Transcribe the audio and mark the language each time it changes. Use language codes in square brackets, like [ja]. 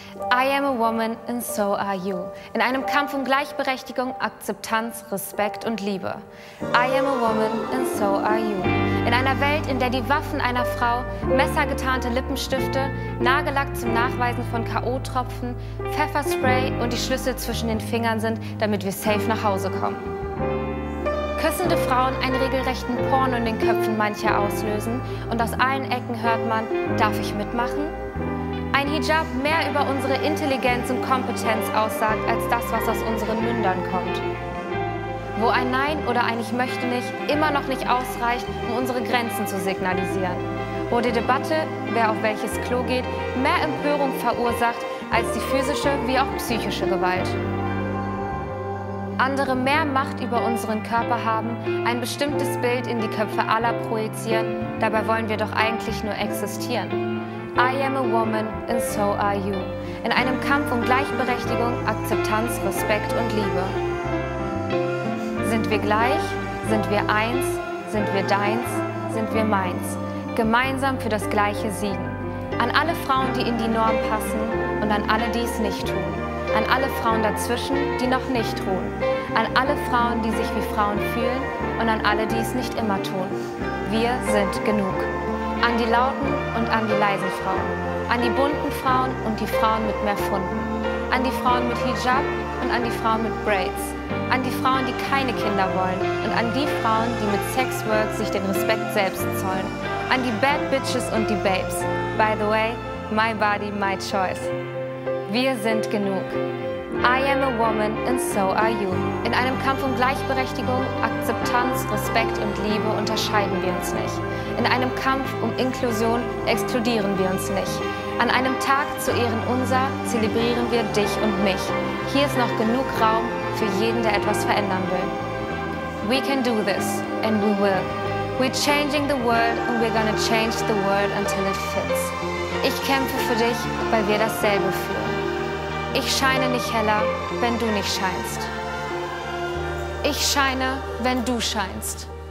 [en] I am a woman and so are you. [de] In einem Kampf um Gleichberechtigung, Akzeptanz, Respekt und Liebe. [en] I am a woman and so are you. [de] In einer Welt, in der die Waffen einer Frau, messergetarnte Lippenstifte, Nagellack zum Nachweisen von K.O.-Tropfen, Pfefferspray und die Schlüssel zwischen den Fingern sind, damit wir safe nach Hause kommen. Küssende Frauen einen regelrechten Porno in den Köpfen mancher auslösen und aus allen Ecken hört man, darf ich mitmachen? Ein Hijab mehr über unsere Intelligenz und Kompetenz aussagt, als das, was aus unseren Mündern kommt. Wo ein Nein oder ein Ich möchte nicht immer noch nicht ausreicht, um unsere Grenzen zu signalisieren. Wo die Debatte, wer auf welches Klo geht, mehr Empörung verursacht als die physische wie auch psychische Gewalt. Andere mehr Macht über unseren Körper haben, ein bestimmtes Bild in die Köpfe aller projizieren, dabei wollen wir doch eigentlich nur existieren. [en] I am a woman and so are you. [de] In einem Kampf um Gleichberechtigung, Akzeptanz, Respekt und Liebe. Sind wir gleich? Sind wir eins? Sind wir deins? Sind wir meins? Gemeinsam für das Gleiche siegen. An alle Frauen, die in die Norm passen und an alle, die es nicht tun. An alle Frauen dazwischen, die noch nicht ruhen. An alle Frauen, die sich wie Frauen fühlen und an alle, die es nicht immer tun. Wir sind genug. An die lauten und an die leisen Frauen. An die bunten Frauen und die Frauen mit mehr Funden. An die Frauen mit Hijab und an die Frauen mit Braids. An die Frauen, die keine Kinder wollen. Und an die Frauen, die mit Sexwork sich den Respekt selbst zollen. An die Bad Bitches und die Babes. [en] By the way, my body, my choice. [de] Wir sind genug. [en] I am a woman and so are you. [de] In einem Kampf um Gleichberechtigung, Akzeptanz, Respekt und Liebe unterscheiden wir uns nicht. In einem Kampf um Inklusion exkludieren wir uns nicht. An einem Tag zu Ehren unser zelebrieren wir dich und mich. Hier ist noch genug Raum für jeden, der etwas verändern will. [en] We can do this and we will. We're changing the world and we're gonna change the world until it fits. [de] Ich kämpfe für dich, weil wir dasselbe fühlen. Ich scheine nicht heller, wenn du nicht scheinst. Ich scheine, wenn du scheinst.